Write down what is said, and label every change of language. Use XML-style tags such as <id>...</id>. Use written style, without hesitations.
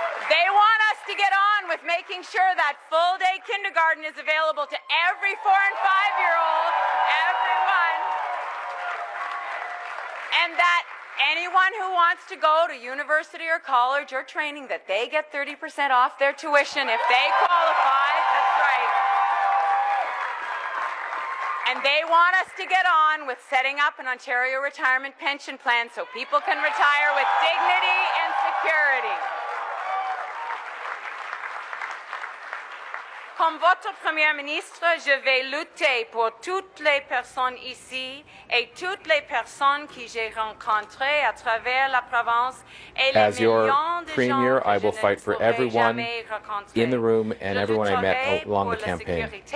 <en>They want us to get on with making sure that full-day kindergarten is available to every 4- and 5-year-old, everyone, and that anyone who wants to go to university or college or training, that they get 30% off their tuition if they qualify. That's right. And they want us to get on with setting up an Ontario retirement pension plan so people can retire with dignity and security.</en> <fr>Comme votre Premier ministre, je vais lutter pour toutes les personnes ici et toutes les personnes que j'ai rencontrées à travers la province et les millions de gens que je ne pourrai jamais rencontrer.</fr> <en>I will fight for everyone in the room and everyone I met along the campaign.</en>